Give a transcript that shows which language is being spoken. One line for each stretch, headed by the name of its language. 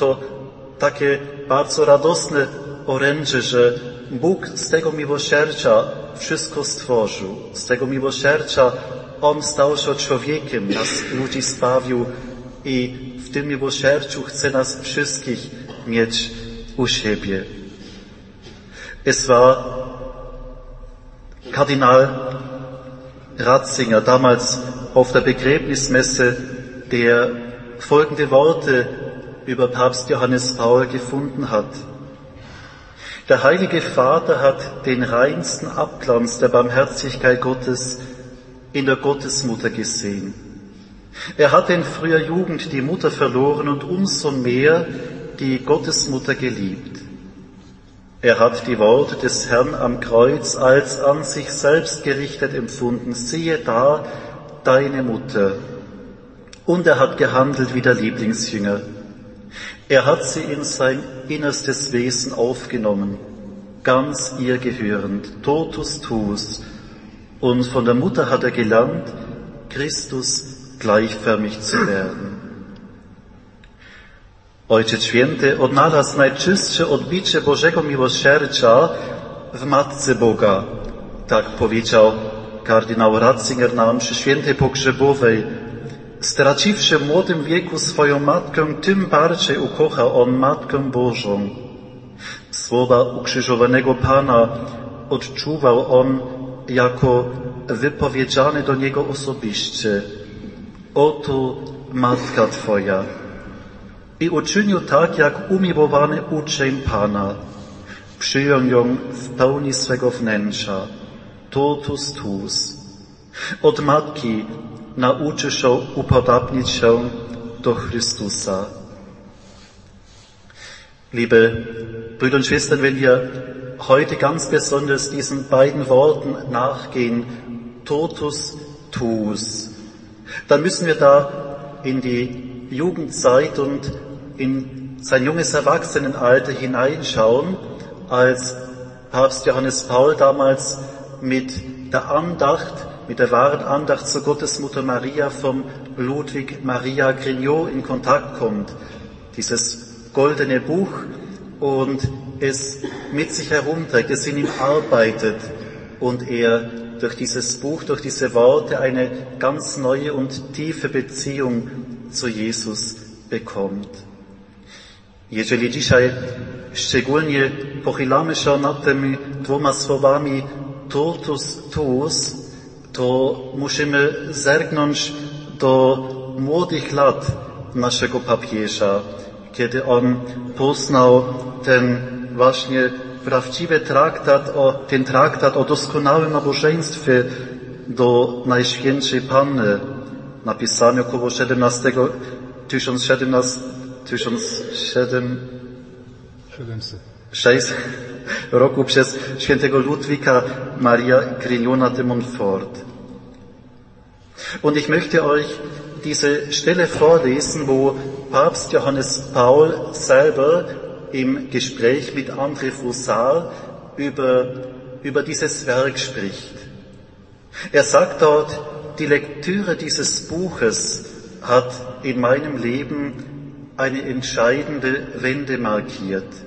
Polish: To takie bardzo radosne orędzie, że Bóg z tego miłosierdzia wszystko stworzył, z tego miłosierdzia On stał się człowiekiem, nas ludzi zbawił i w tym miłosierdziu chce nas wszystkich mieć u siebie.
German: Es war Kardinal Ratzinger, damals auf der Begräbnismesse, der folgende Worte über Papst Johannes Paul gefunden hat. Der Heilige Vater hat den reinsten Abglanz der Barmherzigkeit Gottes in der Gottesmutter gesehen. Er hatte in früher Jugend die Mutter verloren und umso mehr die Gottesmutter geliebt. Er hat die Worte des Herrn am Kreuz als an sich selbst gerichtet empfunden. Siehe da, deine Mutter. Und er hat gehandelt wie der Lieblingsjünger. Er hat sie in sein innerstes Wesen aufgenommen, ganz ihr gehörend, totus tuus. Und von der Mutter hat er gelernt, Christus gleichförmig zu werden.
Polish: Ojcze Święty odnalazł najczystsze odbicie Bożego miłosierdzia w Matce Boga. Tak powiedział kardynał Ratzinger na mszy świętej pogrzebowej. Straciwszy w młodym wieku swoją matkę, tym bardziej ukochał on Matkę Bożą. Słowa ukrzyżowanego Pana odczuwał on jako wypowiedziane do niego osobiście. Oto Matka Twoja. I uczynił tak, jak umiłowany uczeń Pana. Przyjął ją w pełni swego wnętrza. Totus tuus. Od Matki nauczył się upodabnić się do Chrystusa.
German: Liebe Brüder und Schwestern, wenn wir heute ganz besonders diesen beiden Worten nachgehen, totus tuus, dann müssen wir da in die Jugendzeit und in sein junges Erwachsenenalter hineinschauen, als Papst Johannes Paul damals mit der Andacht, mit der wahren Andacht zur Gottesmutter Maria vom Ludwig Maria Grignot in Kontakt kommt. Dieses goldene Buch und es mit sich herumträgt, es in ihm arbeitet und er durch dieses Buch, durch diese Worte eine ganz neue und tiefe Beziehung zu Jesus bekommt.
Polish: Jeżeli dzisiaj szczególnie pochylamy się nad tymi dwoma słowami totus tuus, to musimy zerknąć do młodych lat naszego papieża, kiedy on poznał ten właśnie prawdziwy traktat, ten traktat o doskonałym nabożeństwie do Najświętszej Panny, napisany około 1706 roku przez świętego Ludwika Maria Grignona de Montfort.
German: Und ich möchte euch diese Stelle vorlesen, wo Papst Johannes Paul selber im Gespräch mit André Foussard über dieses Werk spricht. Er sagt dort, die Lektüre dieses Buches hat in meinem Leben eine entscheidende Wende markiert.